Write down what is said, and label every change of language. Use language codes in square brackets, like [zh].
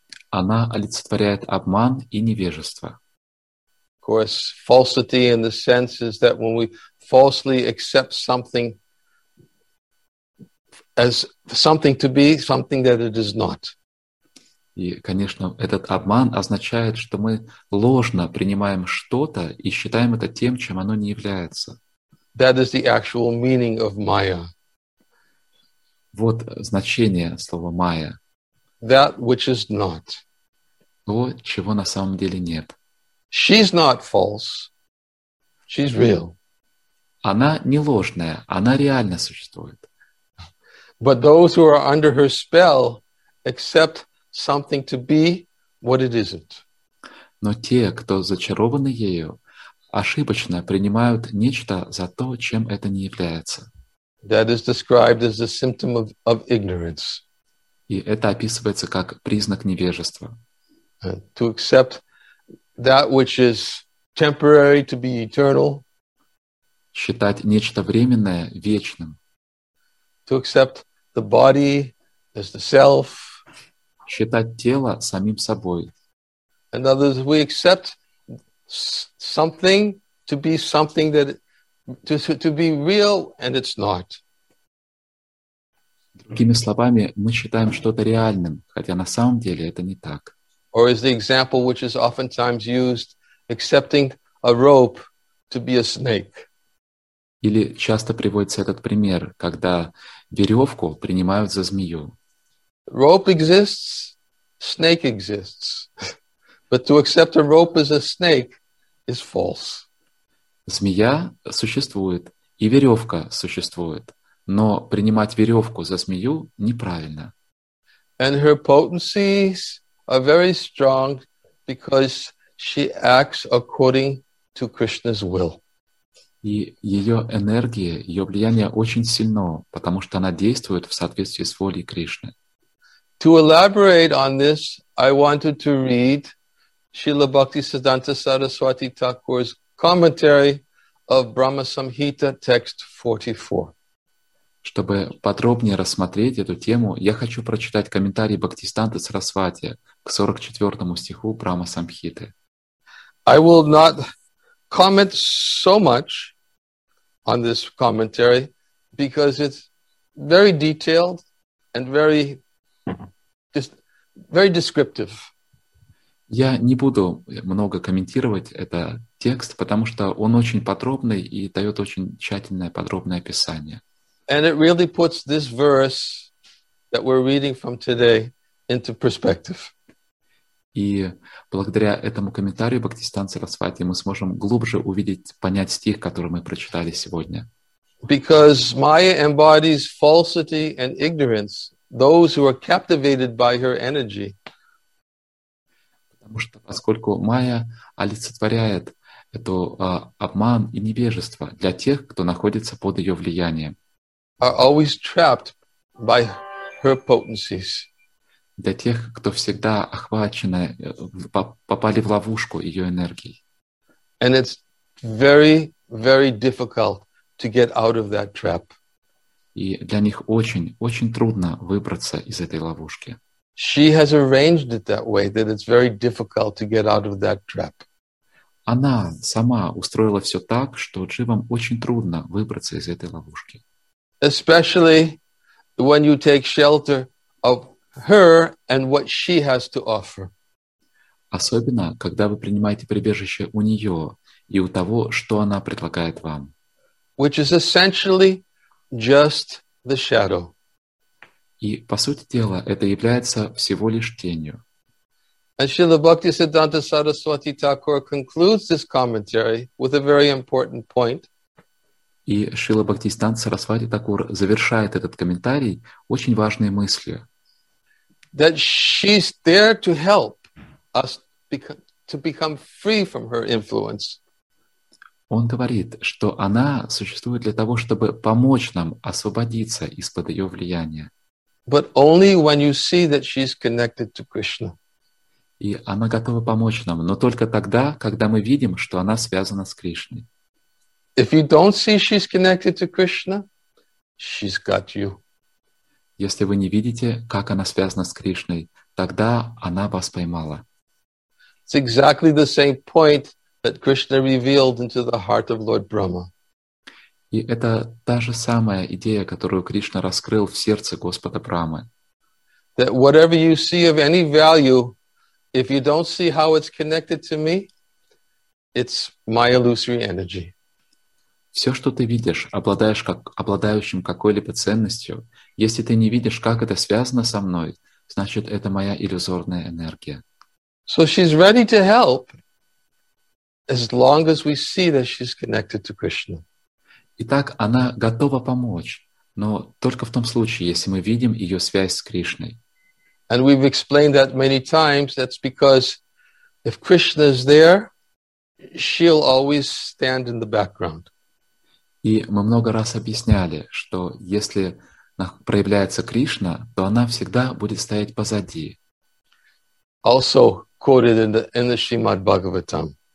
[ru] Она олицетворяет обман и невежество. [en] Of course, falsity in the sense is that when we falsely accept something as something to be something that it is not. [ru] И, конечно, этот обман означает, что мы ложно принимаем что-то и считаем это тем, чем оно не является. [en] That is the actual meaning of Maya. [ru] Вот значение слова Maya. [en] That which is not. [ru] То, чего на самом деле нет. [en] She's not false. She's real. [ru] Она не ложная, она реально существует. [en] But those who are under her spell accept something to be what it isn't. [ru] Но те, кто зачарованы ею, ошибочно принимают нечто за то, чем это не является. [en] That is described as a symptom of ignorance. [ru] И это описывается как признак невежества. [en] To accept that which is temporary to be eternal. [ru] Считать нечто временное вечным. [en] To accept the body as the self. [ru] Считать тело самим собой. [en] In other words, we accept something to be something that to be real and it's not. [ru] Другими словами, мы считаем что-то реальным, хотя на самом деле это не так. [en] Or is the example which is oftentimes used, accepting a rope to be a snake. [ru] Или часто приводится этот пример, когда веревку принимают за змею. [en] Rope exists, snake exists. But to accept a rope as a snake is false. [ru] Змея существует, и веревка существует, но принимать веревку за змею неправильно. [en] And her potencies are very strong because she acts according to Krishna's will. [ru] И ее энергия, ее влияние очень сильно, потому что она действует в соответствии с волей Кришны. [en] To elaborate on this, I wanted to read Srila Bhaktisiddhanta Saraswati Thakur's commentary of Brahma Samhita, text 44. [ru] Чтобы подробнее рассмотреть эту тему, я хочу прочитать комментарий Бхактисиддханты Сарасвати к 44 стиху Брахма Самхиты. [en] I will not comment so much on this commentary because it's very detailed and very descriptive. [ru] Я не буду много комментировать этот текст, потому что он очень подробный и дает очень тщательное подробное описание. [en] And it really puts this verse that we're reading from today into perspective. [ru] И благодаря этому комментарию Бхактисиддханты Сарасвати мы сможем глубже увидеть, понять стих, который мы прочитали сегодня. [en] Because Maya embodies falsity and ignorance, those who are captivated by her energy. [ru] Потому что поскольку Майя олицетворяет эту обман и невежество для тех, кто находится под ее влиянием. [en] Are always trapped by her potencies. [ru] Для тех, кто всегда охвачены, попали в ловушку ее энергии. [en] And it's very, very difficult to get out of that trap. [ru] И для них очень, очень трудно выбраться из этой ловушки. [en] She has arranged it that way, that it's very difficult to get out of that trap. [ru] Она сама устроила все так, что дживам очень трудно выбраться из этой ловушки. [en] Especially when you take shelter of her and what she has to offer. [ru] Особенно, когда вы принимаете прибежище у нее и у того, что она предлагает вам. [en] Which is essentially just the shadow. [ru] И, по сути дела, это является всего лишь тенью. [en] And Srila Bhaktisiddhanta Saraswati Thakur concludes this commentary with a very important point. [ru] И Шрила Бхактисиддханта Сарасвати Такур завершает этот комментарий очень важной мыслью. [en] That she's there to help us to become free from her influence. [ru] Он говорит, что она существует для того, чтобы помочь нам освободиться из-под ее влияния. [en] But only when you see that she's connected to Krishna. [ru] И она готова помочь нам, но только тогда, когда мы видим, что она связана с Кришной. [en] If you don't see she's connected to Krishna, she's got you. [ru] Если вы не видите, как она связана с Кришной, тогда она вас поймала. [en] It's exactly the same point that Krishna revealed into the heart of Lord Brahma. [ru] И это та же самая идея, которую Кришна раскрыл в сердце Господа Брамы. [en] That whatever you see of any value, if you don't see how it's connected to me, it's my illusory energy. [ru] Все, что ты видишь, обладающим какой-либо ценностью, если ты не видишь, как это связано со мной, значит, это моя иллюзорная энергия. [en] So she's ready to help as long as we see that she's connected to Krishna. [ru] Итак, она готова помочь, но только в том случае, если мы видим ее связь с Кришной. [en] And we've explained that many times, that's because if Krishna is there, she'll always stand in the background. [ru] И мы много раз объясняли, что если проявляется Кришна, то она всегда будет стоять позади. [en] Also quoted in the Shrimad Bhagavatam.